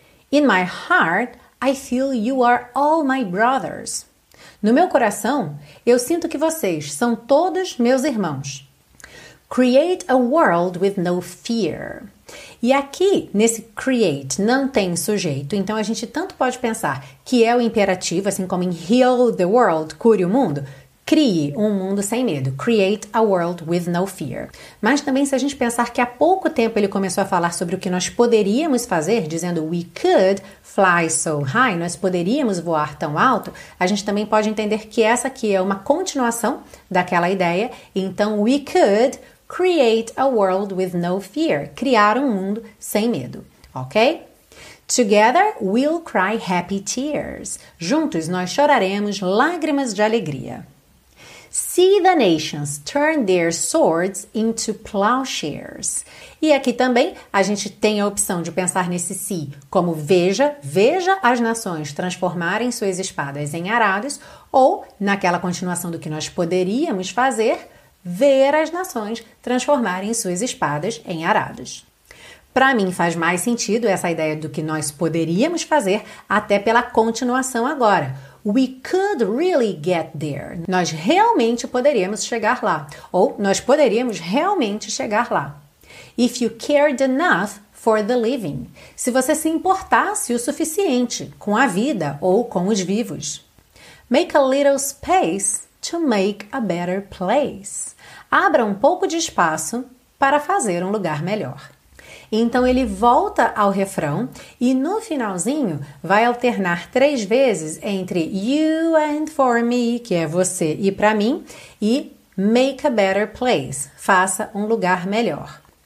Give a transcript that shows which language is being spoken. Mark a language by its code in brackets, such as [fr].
[en] In my heart, I feel you are all my brothers. [pt] No meu coração, eu sinto que vocês são todos meus irmãos. [en] Create a world with no fear. [pt] E aqui, nesse create, não tem sujeito, então a gente tanto pode pensar que é o imperativo, assim como em [en] heal the world, [pt] cure o mundo, crie um mundo sem medo, [en] create a world with no fear. [pt] Mas também se a gente pensar que há pouco tempo ele começou a falar sobre o que nós poderíamos fazer, dizendo [en] we could fly so high, [pt] nós poderíamos voar tão alto, a gente também pode entender que essa aqui é uma continuação daquela ideia, então [en] we could create a world with no fear. [pt] Criar um mundo sem medo, ok? [en] Together we'll cry happy tears. [pt] Juntos nós choraremos lágrimas de alegria. [en] See the nations turn their swords into plowshares. [pt] E aqui também a gente tem a opção de pensar nesse see como veja as nações transformarem suas espadas em arados, ou naquela continuação do que nós poderíamos fazer, ver as nações transformarem suas espadas em arados. Para mim faz mais sentido essa ideia do que nós poderíamos fazer até pela continuação agora. [en] We could really get there. [pt] Nós realmente poderíamos chegar lá. Ou nós poderíamos realmente chegar lá. [en] If you cared enough for the living. [pt] Se você se importasse o suficiente com a vida ou com os vivos. [en] Make a little space to make a better place. [pt] Abra um pouco de espaço para fazer um lugar melhor. Então ele volta ao refrão e no finalzinho vai alternar três vezes entre [en] you and for me, [pt] que é você e para mim, e [en] make a better place, [pt] faça um lugar melhor.